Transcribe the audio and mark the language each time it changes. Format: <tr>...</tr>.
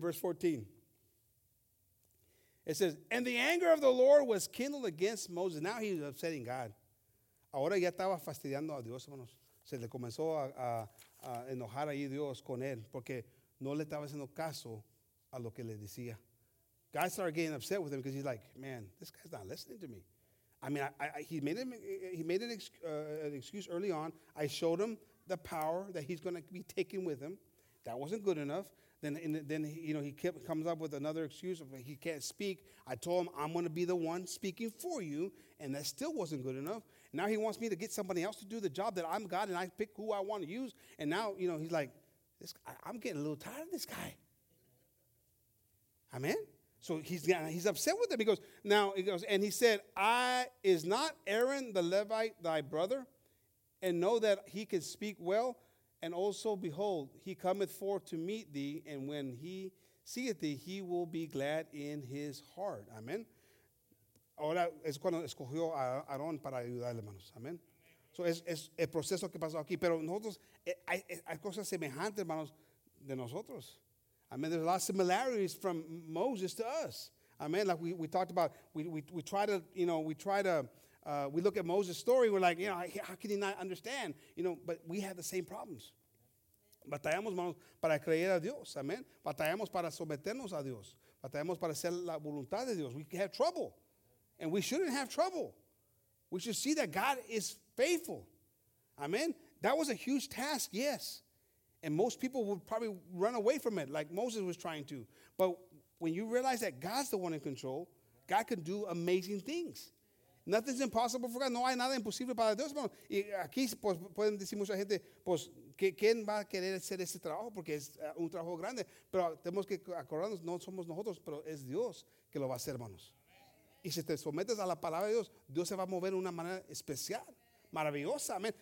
<en>Verse 14. It says, and the anger of the Lord was kindled against Moses. Now he's upsetting God.</en> <es>Ahora ya estaba fastidiando a Dios, hermanos. Se le comenzó a enojar ahí Dios con él porque no le estaba haciendo caso a lo que le decía.</es> <en>God started getting upset with him because he's like, man, this guy's not listening to me. I mean, he made an excuse early on. I showed him the power that he's going to be taking with him. That wasn't good enough. Then you know, comes up with another excuse of he can't speak. I told him I'm going to be the one speaking for you, and that still wasn't good enough. Now he wants me to get somebody else to do the job that I'm God, and I pick who I want to use. And now, you know, he's like, this guy, I'm getting a little tired of this guy. Amen? So he's upset with him. He said, is not Aaron the Levite thy brother? And know that he can speak well. And also, behold, he cometh forth to meet thee. And when he seeth thee, he will be glad in his heart. Amen.</en> <es>Ahora es cuando escogió a Aarón para ayudarle, hermanos. Amen. So es el proceso que pasó aquí. Pero nosotros, hay cosas semejantes, hermanos, de nosotros.</es> <en>I mean, there's a lot of similarities from Moses to us. I mean, like we talked about, we try to, you know, we try to, we look at Moses' story, we're like, you know, how can he not understand? You know, but we have the same problems.</en> <es>Batallamos, hermanos, para creer a Dios. Amen. Batallamos para someternos a Dios. Batallamos para hacer la voluntad de Dios.</es> <en>We have trouble. And we shouldn't have trouble. We should see that God is faithful. Amen. That was a huge task, yes. And most people would probably run away from it, like Moses was trying to. But when you realize that God's the one in control, God can do amazing things. Nothing's impossible for God.</en> <es>No hay nada imposible para Dios. Bueno, y aquí pues, pueden decir mucha gente, pues, ¿quién va a querer hacer ese trabajo? Porque es un trabajo grande. Pero tenemos que acordarnos, no somos nosotros, pero es Dios que lo va a hacer, hermanos. Y si te sometes a la palabra de Dios, Dios se va a mover de una manera especial, maravillosa. Amen.</es>